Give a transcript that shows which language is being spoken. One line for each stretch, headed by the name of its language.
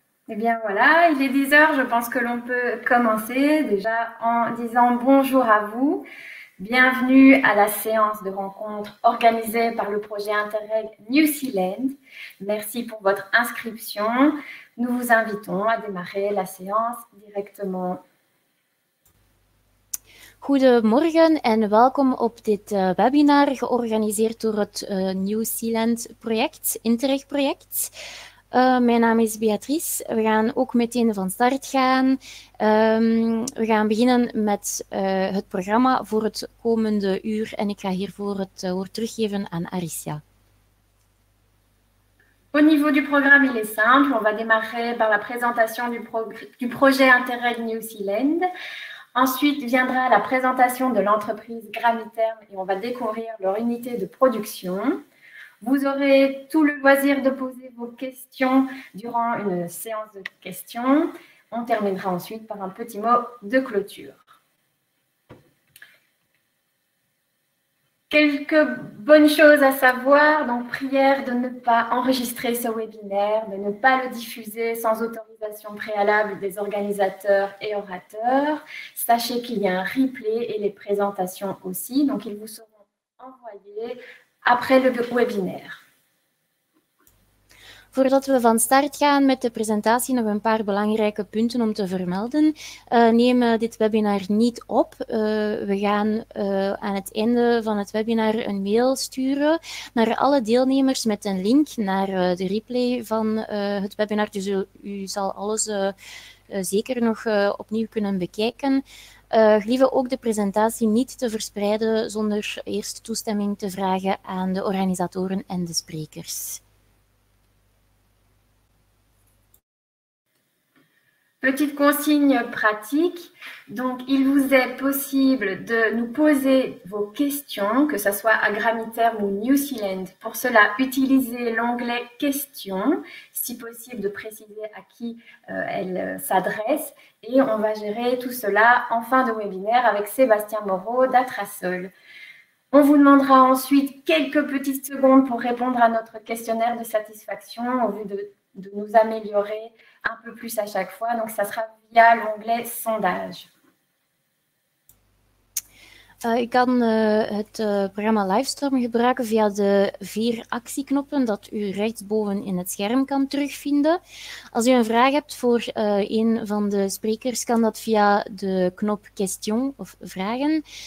French: Eh bien voilà, il est 10 h, je pense que l'on peut commencer déjà en disant bonjour à vous. Bienvenue à la séance de rencontre organisée par le projet Interreg New Zealand. Merci pour votre inscription. Nous vous invitons à démarrer la séance directement.
Dutch: Goedemorgen en welkom op dit webinar georganiseerd door het New Zealand project, Interreg project. Mijn naam is Beatrice. We gaan ook meteen van start gaan. We gaan beginnen met het programma voor het komende uur en ik ga hiervoor het woord teruggeven aan Aricia.
French: Au niveau du programme, il est simple. On va démarrer par la présentation du projet Interreg New Zealand. Ensuite viendra la présentation de l'entreprise Gramiterm et on va découvrir leur unité de production. Vous aurez tout le loisir de poser vos questions durant une séance de questions. On terminera ensuite par un petit mot de clôture. Quelques bonnes choses à savoir, donc prière de ne pas enregistrer ce webinaire, de ne pas le diffuser sans autorisation préalable des organisateurs et orateurs. Sachez qu'il y a un replay et les présentations aussi, donc ils vous seront envoyés après le webinaire.
Dutch: Voordat we van start gaan met de presentatie, nog een paar belangrijke punten om te vermelden. Neem dit webinar niet op. We gaan aan het einde van het webinar een mail sturen naar alle deelnemers met een link naar de replay van het webinar. Dus u zal alles zeker nog opnieuw kunnen bekijken. Gelieve ook de presentatie niet te verspreiden zonder eerst toestemming te vragen aan de organisatoren en de sprekers.
French: Petite consigne pratique. Donc, il vous est possible de nous poser vos questions, que ce soit à Gramiterm ou New Zealand. Pour cela, utilisez l'onglet questions, si possible de préciser à qui elle s'adresse. Et on va gérer tout cela en fin de webinaire avec Sébastien Moreau d'Atrasol. On vous demandera ensuite quelques petites secondes pour répondre à notre questionnaire de satisfaction en vue de nous améliorer un peu plus à chaque fois. Donc, ça sera via l'onglet sondage.
Dutch: U kan het programma Livestorm gebruiken via de vier actieknoppen dat u rechtsboven in het scherm kan terugvinden. Als u een vraag hebt voor een van de sprekers, kan dat via de knop Question of Vragen.